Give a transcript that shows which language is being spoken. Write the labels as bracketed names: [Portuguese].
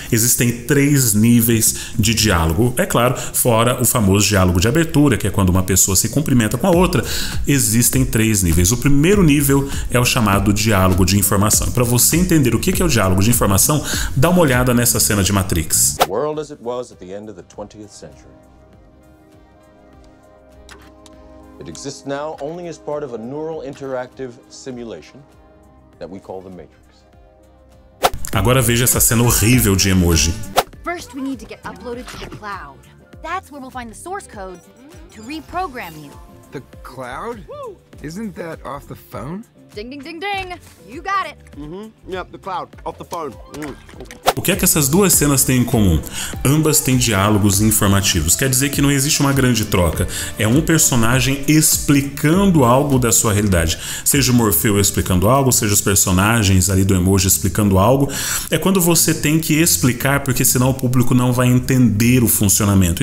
[Portuguese] Existem três níveis de diálogo. É claro, fora o famoso diálogo de abertura, que é quando uma pessoa se cumprimenta com a outra. Existem três níveis. O primeiro nível é o chamado diálogo de informação. Para você entender o que é o diálogo de informação, dá uma olhada nessa cena de Matrix. O mundo como era no final do [English] 20th century. It exists now only as part of a neural interactive simulation that we call the Matrix. [Portuguese] Agora veja essa cena horrível de Emoji. [English] First we need to get uploaded to the cloud. That's where we'll find the source code to reprogram you. The cloud? Isn't that off the phone? Ding ding ding ding. You got it. Mm-hmm. Yep, the cloud off the phone. [Portuguese] O que é que essas duas cenas têm em comum? Ambas têm diálogos informativos. Quer dizer que não existe uma grande troca. É um personagem explicando algo da sua realidade. Seja o Morfeu explicando algo, seja os personagens ali do Emoji explicando algo. É quando você tem que explicar, porque senão o público não vai entender o funcionamento.